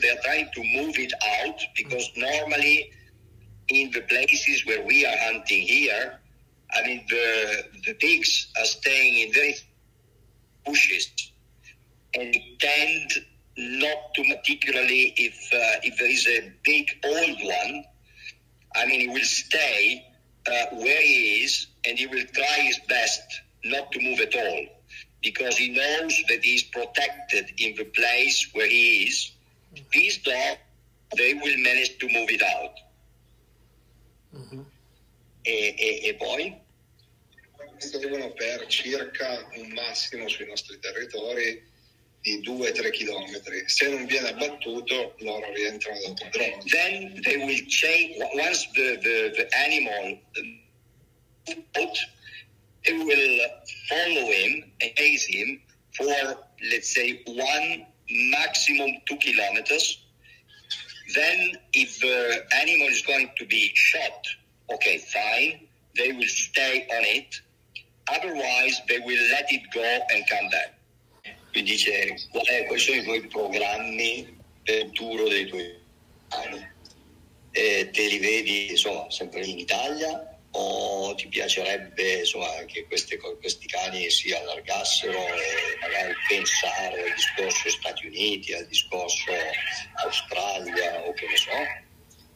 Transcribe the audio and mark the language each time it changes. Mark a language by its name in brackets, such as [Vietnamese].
[English] They are trying to move it out, because normally in the places where we are hunting here, I mean, the pigs are staying in very bushes and tend not to particularly, if there is a big old one, I mean, he will stay where he is, and he will try his best not to move at all, because he knows that he is protected in the place where he is. This dog, they will manage to move it out. [Italian] E poi? Seguono per circa un massimo sui nostri territori di 2-3 chilometri. Se non viene abbattuto, loro rientrano dopo drone. [English] Then they will chase, once the animal out, they will follow him and chase him for, let's say, 1, maximum 2 kilometers. Then if the animal is going to be shot, okay, fine, they will stay on it. Otherwise, they will let it go and come back. [Italian] Mi dice, quali sono i tuoi programmi per il futuro dei tuoi animali? Te li vedi, insomma, sempre in Italia? O ti piacerebbe, insomma, che questi cani si allargassero e magari pensare al discorso Stati Uniti, al discorso Australia o che ne so?